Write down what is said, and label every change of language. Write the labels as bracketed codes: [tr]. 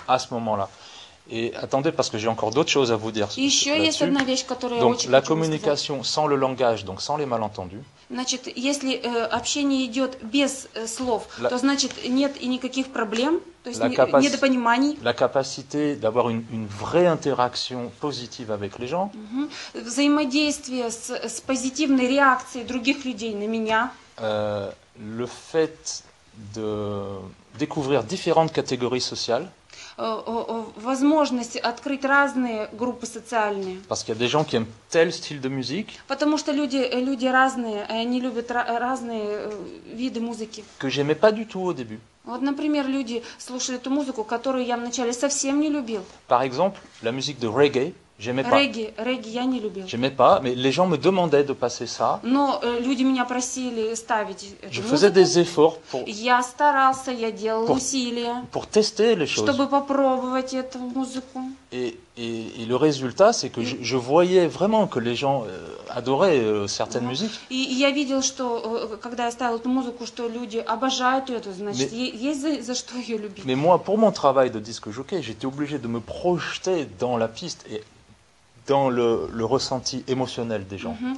[fr] À ce moment-là. Et attendez, parce que j'ai encore d'autres choses à vous dire là-dessus. [ru] Еще есть одна вещь, которую [fr] donc, la communication sans le langage, donc sans les malentendus. [ru] Значит, если общение идет без слов, то значит нет и никаких проблем, то есть недопониманий. [fr] La capacité d'avoir une vraie interaction positive avec les gens. [ru] Взаимодействие с позитивной реакцией других людей на меня. [fr] Le fait de découvrir différentes catégories sociales. [ru] Возможность открыть разные группы социальные. [fr] Parce qu'il y a des gens qui aiment tel style de musique. [ru] Потому что люди разные, они любят разные виды музыки. [fr] Que j'aimais pas du tout au début. [ru] Вот, например, люди слушали ту музыку, которую я вначале совсем не любил. [fr] Par exemple, la musique de reggae, j'aimais pas. [ru] Reggae я не любил. [fr] J'aimais pas, mais les gens me demandaient de passer ça. [ru] Но люди меня просили ставить эту музыку. [fr] Je faisais des efforts pour. [ru] Я старался, я делал усилия. [fr] Pour tester les choses. [ru] Чтобы попробовать эту музыку. [fr] Et le résultat, c'est que je voyais vraiment que les gens adoraient certaines musiques. [ru] И я видел, что когда я ставил эту музыку, что люди обожают ее, то значит, есть за что ее любить. [fr] Mais moi, pour mon travail de disque jockey, j'étais obligé de me projeter dans la piste et dans le ressenti émotionnel des gens.